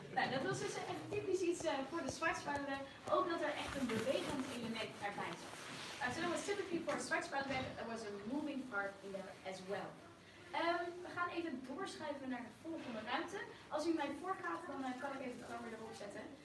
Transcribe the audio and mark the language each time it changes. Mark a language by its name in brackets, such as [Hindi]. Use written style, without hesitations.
[Dutch] Dat was dus echt typisch iets voor de Schwarzwälder, ook dat er echt een bewegend element erbij zat. [English] So that was typically for a Schwarzwälder, there was a moving part in there as well. [Dutch] We gaan even doorschuiven naar de volgende ruimte. Als u mij voorgaat, dan kan ik even het camera erop zetten.